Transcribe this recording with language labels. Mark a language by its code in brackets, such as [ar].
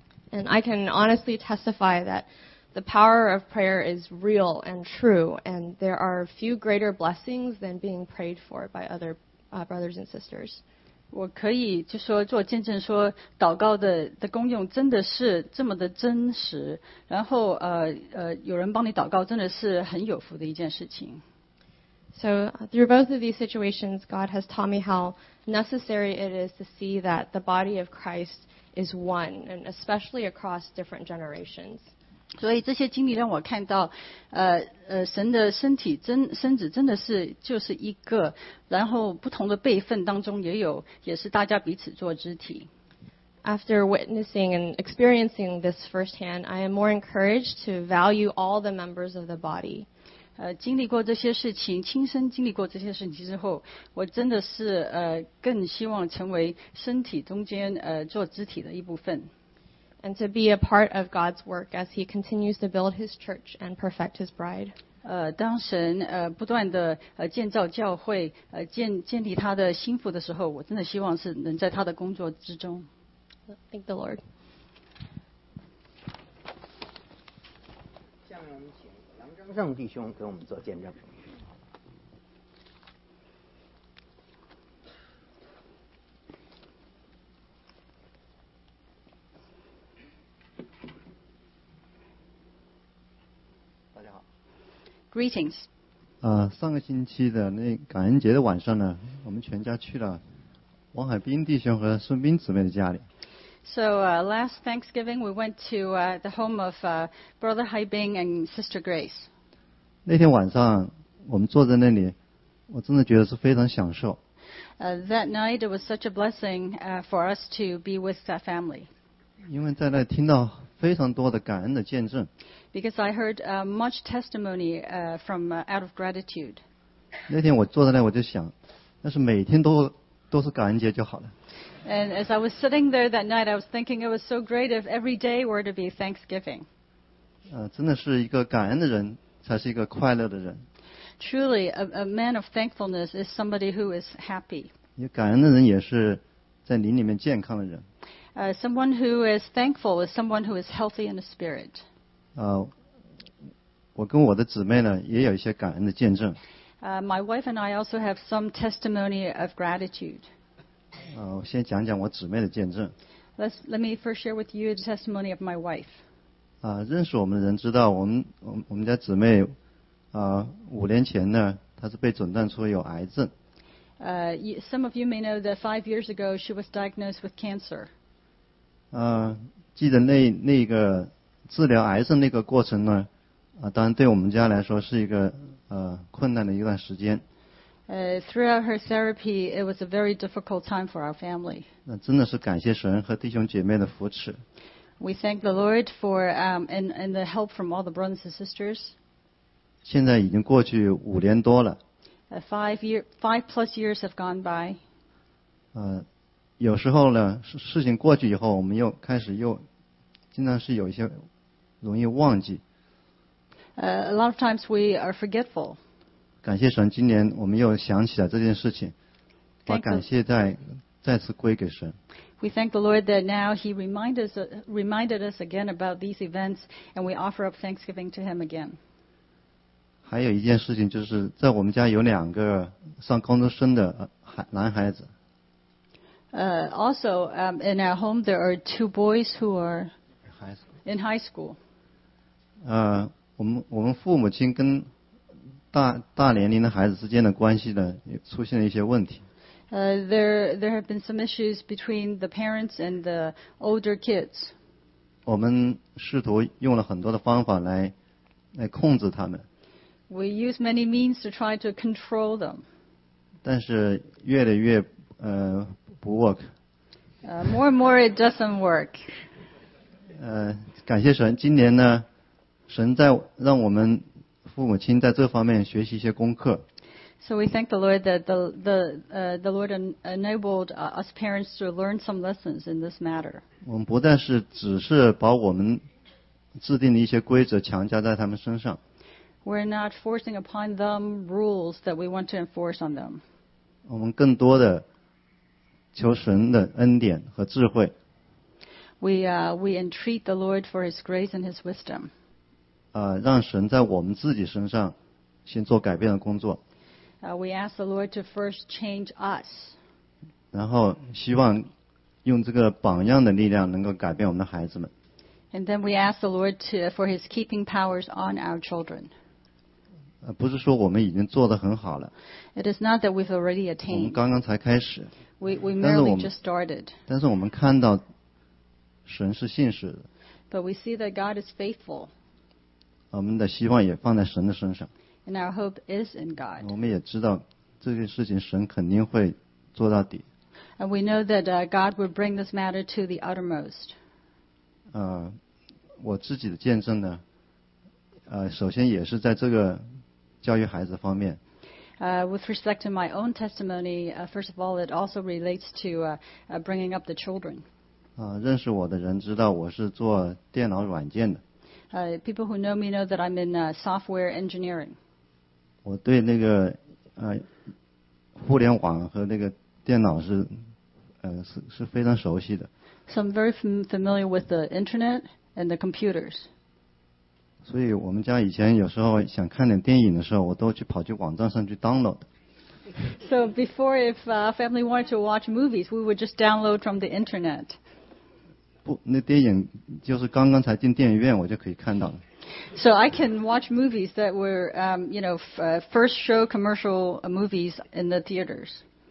[en] And I can honestly testify that the power of prayer is real and true, and there are few greater blessings than being prayed for by other brothers and sisters. [zh] 我可以就说做见证说祷告的功用真的是这么的真实，然后有人帮你祷告真的是很有福的一件事情。 [en] So through both of these situations, God has taught me how necessary it is to see that the body of Christ is one, and especially across different generations. [zh] 所以这些经历让我看到，神的身体身子真的是就是一个，然后不同的辈分当中也是大家彼此做肢体。 [en] After witnessing and experiencing this firsthand, I am more encouraged to value all the members of the body. [zh] 经历过这些事情，亲身经历过这些事情之后，我真的是更希望成为身体中间做肢体的一部分。 [en] And to be a part of God's work as he continues to build his church and perfect his bride. [zh] 当神不断地建造教会建立他的心腹的时候，我真的希望是能在他的工作之中。 [en] Thank the Lord. [zh] 下面我们请杨征胜弟兄给我们做见证。 [en] Greetings. [zh] 上个星期的那感恩节的晚上呢，我们全家去了王海滨弟兄和孙斌姊妹的家里。 [en] So last Thanksgiving we went to the home of Brother Haibing and Sister Grace. [zh] 那天晚上我们坐在那里，我真的觉得是非常享受。 [en] That night it was such a blessing for us to be with that family. [zh] 因为在那听到非常多的感恩的见证。 [en] Because I heard much testimony from out of gratitude. [zh] 那天我坐在那，我就想，要是每天都是感恩节就好了。 [en] And as I was sitting there that night, I was thinking it was so great if every day were to be Thanksgiving. [zh] 真的是一个感恩的人，才是一个快乐的人。 [en] Truly, a man of thankfulness is somebody who is happy. [zh] 感恩的人也是在灵里面健康的人。 [en] Someone who is thankful is someone who is healthy in the spirit. [zh] 我跟我的姊妹呢，也有一些感恩的见证。 [en] My wife and I also have some testimony of gratitude. [zh] 我先讲讲我姊妹的见证。 [en] Let me first share with you the testimony of my wife. [zh] 认识我们的人知道，我们家姊妹，五年前呢，她是被诊断出有癌症。 [en] Some of you may know that 5 years ago she was diagnosed with cancer. [zh] 记得那个治疗癌症那个过程呢，当然对我们家来说是一个困难的一段时间。 [en] Throughout her therapy, it was a very difficult time for our family. [zh] 那真的是感谢神和弟兄姐妹的扶持。 [en] We thank the Lord for and the help from all the brothers and sisters. [zh] 现在已经过去五年多了。 [en] Five plus years have gone by. [zh] 有时候呢，事情过去以后，我们又开始又经常是有一些容易忘记。 [en] A lot of times we are forgetful. [zh] 感谢神，今年我们又想起了这件事情，把感谢再次归给神。 [en] We thank the Lord that now He reminded us again about these events, and we offer up thanksgiving to Him again. [zh] 还有一件事情，就是在我们家有两个上高中生的男孩子。 [en] Also, in our home, there are two boys who are in high school. [zh] 我们父母亲跟大年龄的孩子之间的关系呢，也出现了一些问题。 [en] There have been some issues between the parents and the older kids. [zh] 我们试图用了很多的方法来控制他们。 [en] We use many means to try to control them. [zh] 但是越来越不 work. [en] More and more it doesn't work. [zh] 感谢神，今年呢，神在让我们父母亲在这方面学习一些功课。 [en] So we thank the Lord that the Lord enabled us parents to learn some lessons in this matter. [zh] 我们不但是只是把我们制定的一些规则强加在他们身上。 [en] We're not forcing upon them rules that we want to enforce on them. [zh] 我们更多的求神的恩典和智慧。 [en] We entreat the Lord for His grace and His wisdom. [zh] 让神在我们自己身上先做改变的工作。 [en] We ask the Lord to first change us. [zh] 然后希望用这个榜样的力量能够改变我们的孩子们。 [en] And then we ask the Lord for His keeping powers on our children. [zh] 不是说我们已经做得很好了。 [en] It is not that we've already attained. [zh] 我们刚刚才开始。 [en] We merely just started. [zh] 但是我们看到神是信实的。 [en] But we see that God is faithful. [zh] 我们的希望也放在神的身上。 [en] And our hope is in God. [zh] 我们也知道这件事情神肯定会做到底。 [en] And we know that God would bring this matter to the uttermost. [zh] 我自己的见证呢，首先也是在这个教育孩子方面。 [en] With respect to my own testimony, first of all, it also relates to bringing up the children. [zh] 认识我的人知道我是做电脑软件的。 [en] People who know me know that I'm in software engineering. [zh] 我对那个互联网和那个电脑是非常熟悉的。 [en] So I'm very familiar with the internet and the computers. [zh] 所以我们家以前有时候想看点电影的时候，我都去跑去网站上去 download。 [en] So before, if family wanted to watch movies, we would just download from the internet. [zh] 不，那电影就是刚刚才进电影院，我就可以看到了。 [en] So I can watch movies that were, first show commercial movies in the theaters.